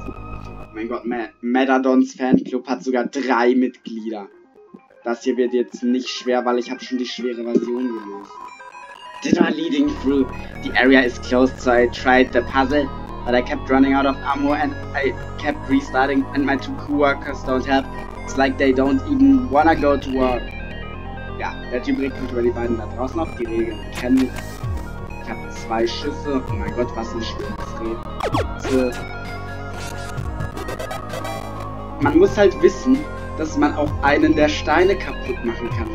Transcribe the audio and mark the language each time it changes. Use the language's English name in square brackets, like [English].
[German] Oh mein Gott, Medadons Fanclub hat sogar 3 Mitglieder. Das hier wird jetzt nicht schwer, weil ich habe schon die schwere Version gelöst. [English] Did I leading through? The area is closed, so I tried the puzzle, but I kept running out of ammo and I kept restarting and my 2 co-workers don't help. It's like they don't even wanna go to work. [German] Ja, der Typ regelt über die beiden da draußen auf, die Regeln kennen. Ich habe 2 Schüsse. Oh mein Gott, was ein schweres Rätsel. Man muss halt wissen, dass man auch einen der Steine kaputt machen kann.